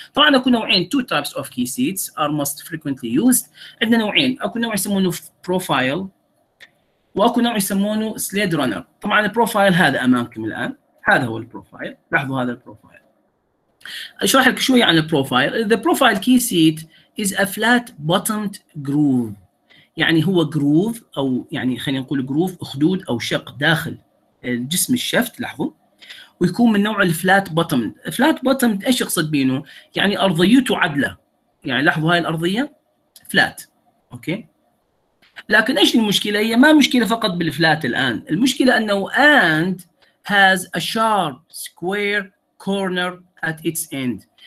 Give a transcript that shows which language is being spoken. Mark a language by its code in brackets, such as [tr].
[ar] طبعا اكو نوعين، [en] two types of key seats are most frequently used. [ar] عندنا نوعين، اكو نوع يسمونه profile واكو نوع يسمونه sled runner. طبعا البروفايل هذا امامكم الان، هذا هو البروفايل، لاحظوا هذا البروفايل. اشرح لك شوي عن البروفايل. [en] The profile key seat is a flat bottomed groove. [ar] يعني هو جروف او يعني خلينا نقول جروف خدود او شق داخل الجسم الشفت، لاحظوا، ويكون من نوع الفلات بوتم. فلات بوتم ايش يقصد بينه؟ يعني ارضيته عدله، يعني لاحظوا هاي الارضيه فلات اوكي. لكن ايش المشكله؟ هي ما مشكله فقط بالفلات الان، المشكله انه [en] and has a sharp square corner at its end.